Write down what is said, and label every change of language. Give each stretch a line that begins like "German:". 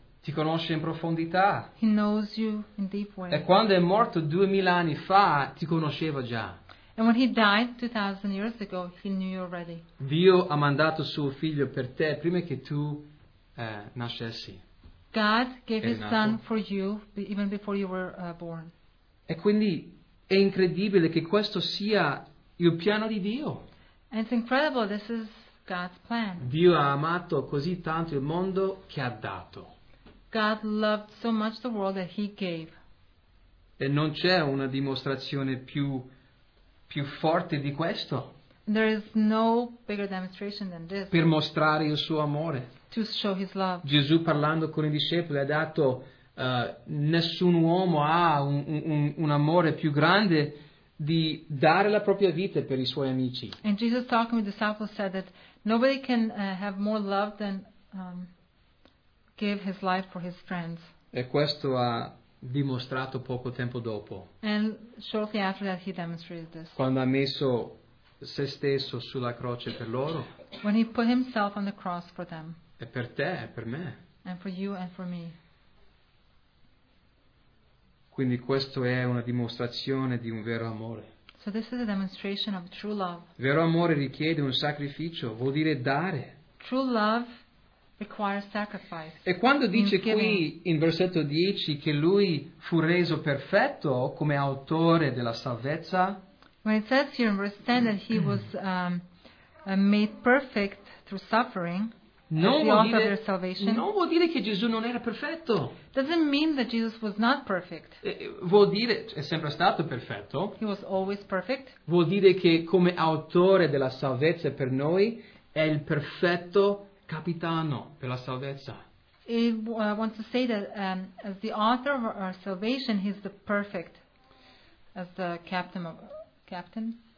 Italian: Ti conosce in profondità.
English: He knows you in deep way.
Italian: E quando è morto 2000 anni fa, ti conosceva già.
English: And when he died 2000 years ago, he knew you already.
Italian: Dio ha mandato suo figlio per te prima che tu nascessi.
English: God gave his son for you even before you were born.
Italian: E quindi è incredibile che questo sia il piano di Dio.
English: And it's incredible, this is God's plan.
Italian: Dio ha amato così tanto il mondo che ha dato.
English: God loved so much the world that he gave.
Italian: E non c'è una dimostrazione più forte di questo.
English: There is no bigger demonstration than this.
Italian: Per mostrare il suo amore.
English: To show his love.
Italian: Gesù parlando con i discepoli ha dato nessun uomo ha un amore più grande di dare la propria vita per i suoi amici.
English: And Jesus talking with the disciples said that nobody can have more love than give his life for his friends.
Italian: E questo ha dimostrato poco tempo dopo.
English: And shortly after that he demonstrated this.
Italian: Quando ha messo se stesso sulla croce per loro.
English: When he put himself on the cross for them.
Italian: E per te e per me.
English: And for you and for me.
Italian: Quindi questo è una dimostrazione di un vero amore.
English: So this is a demonstration of true love.
Italian: Vero amore richiede un sacrificio, vuol dire dare.
English: True love requires sacrifice.
Italian: E quando dice qui in versetto 10 che lui fu reso perfetto come autore della salvezza.
English: When it says here in verse 10 that he was made perfect through suffering.
Italian: Non vuol dire che Gesù non era perfetto.
English: Doesn't mean that Jesus was not perfect.
Italian: Vuol dire è sempre stato perfetto.
English: He was always perfect.
Italian: Vuol dire che come autore della salvezza per noi è il perfetto capitano per la salvezza.
English: It wants to say that as the author of our salvation, he's the perfect as the captain.